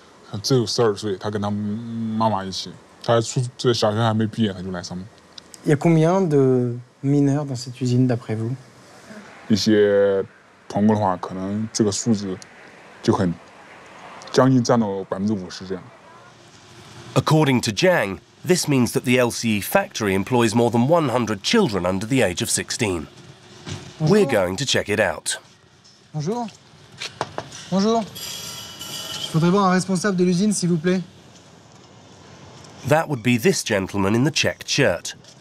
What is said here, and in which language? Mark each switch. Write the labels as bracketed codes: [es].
[zh] 这个是那个四川彝族童工，这些全部都是的。像这个女孩子只有13岁这样，这两个他们都，这个14岁这样的，13岁。然后这个女孩子只有12岁，她跟她妈妈一起。 [fr] Il y a combien de mineurs dans cette usine, d'après vous? [en] According to Jiang, this means that the LCE factory employs more than 100 children under the age of 16. Bonjour. We're going to check it out. [fr] Bonjour. Bonjour. Je voudrais voir un responsable de l'usine, s'il vous plaît. [en] That would be this gentleman in the checked shirt.